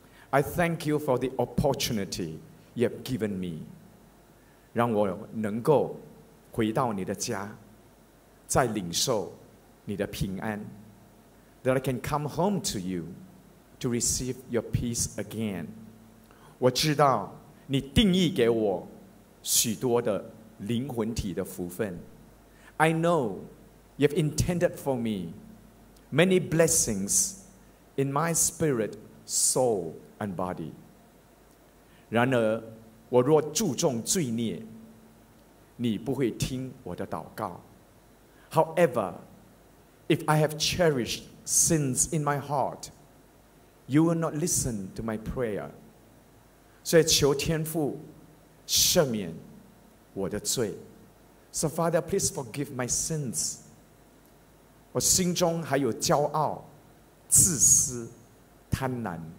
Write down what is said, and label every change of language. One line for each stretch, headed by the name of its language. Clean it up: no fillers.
English: I thank you for the opportunity you have given me.
Chinese: 让我能够回到你的家，再领受你的平安。
English: That I can come home to you. To receive your peace again.
Chinese: 我知道你定义给我许多的灵魂体的福分。
English: I know you've intended for me many blessings in my spirit, soul, and body.
Chinese: 然而我若注重罪孽你不会听我的祷告。
English: However, if I have cherished sins in my heart,You will not listen to my prayer.
Chinese: 所以求天父赦免我的罪。
English: So Father, please forgive my sins.
Chinese: 我心中还有骄傲、自私、贪婪。